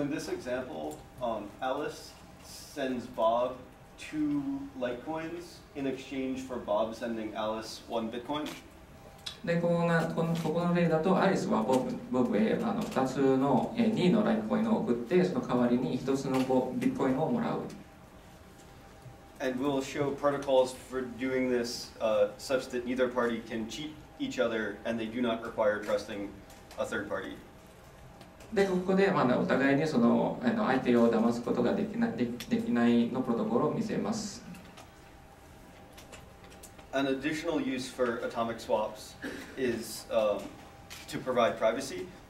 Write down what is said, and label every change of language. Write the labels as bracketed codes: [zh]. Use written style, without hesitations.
[en] in this example, Alice sends Bob two Litecoins in exchange for Bob sending Alice one Bitcoin. [ja] で、ここが、この例だと、アリスはボブへ2のLitecoinを送って、その代わりに1つのビットコインをもらう。 [en] And we'll show protocols for doing this such that neither party can cheat each other and they do not require trusting a third party. [ja] で、ここでまあお互いにその相手を騙すことができないのプロトコルを見せます。 [en] An additional use for atomic swaps is to provide privacy.